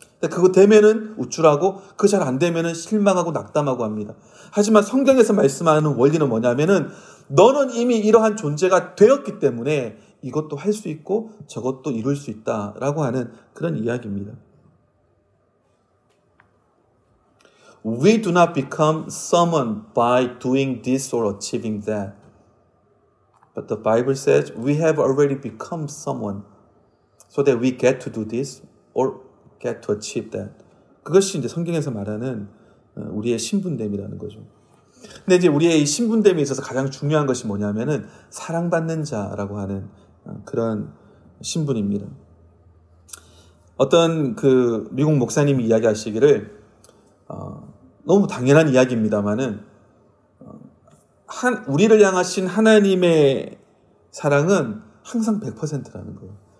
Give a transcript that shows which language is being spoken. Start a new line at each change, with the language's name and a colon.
Korean: 그거 되면은 우쭐하고 그 잘 안 되면은 실망하고 낙담하고 합니다. 하지만 성경에서 말씀하는 원리는 뭐냐면은 너는 이미 이러한 존재가 되었기 때문에 이것도 할 수 있고 저것도 이룰 수 있다라고 하는 그런 이야기입니다.
English: We do not become someone by doing this or achieving that. But the Bible says we have already become someone so that we get to do this or get to achieve that.
Korean: 그것이 이제 성경에서 말하는 우리의 신분됨이라는 거죠. 근데 이제 우리의 이 신분됨에 있어서 가장 중요한 것이 뭐냐면은 사랑받는 자라고 하는 그런 신분입니다. 어떤 그 미국 목사님이 이야기하시기를 너무 당연한 이야기입니다만은 우리를 향하신 하나님의 사랑은 항상 100%라는 거예요.